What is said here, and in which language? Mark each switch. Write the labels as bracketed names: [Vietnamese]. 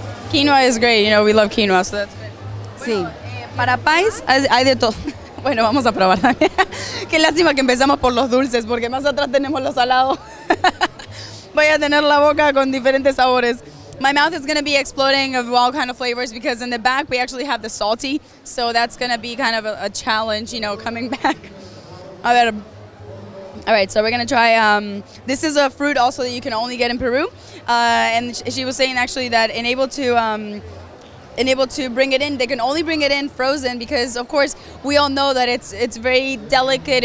[English] Quinoa is great, you know, we love quinoa, so that's good. [Spanish] Bueno, sí. Para pies hay de todo. Bueno, vamos a probar también. Qué lástima que empezamos por los dulces, porque más atrás tenemos los salados. Voy a tener la boca con diferentes sabores. [English] My mouth is going to be exploding of all kind of flavors, because in the back we actually have the salty, so that's going to be kind of a challenge, you know, coming back. [Spanish] A ver. [English] All right, so we're going to try, this is a fruit also that you can only get in Peru. And she was saying actually that unable to bring it in, they can only bring it in frozen because of course we all know that it's very delicate.